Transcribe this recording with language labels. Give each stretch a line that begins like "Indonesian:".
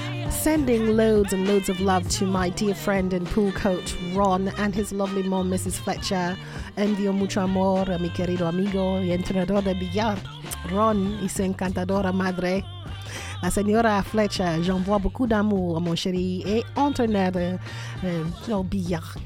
English: Sending loads and loads of love to my dear friend and pool coach Ron and his lovely mom, Mrs. Fletcher.
Spanish: Envio mucho amor a mi querido amigo y entrenador de billar, Ron y su encantadora madre, la señora Fletcher.
French: J'envoie beaucoup d'amour à mon chéri et entraîneur de billar.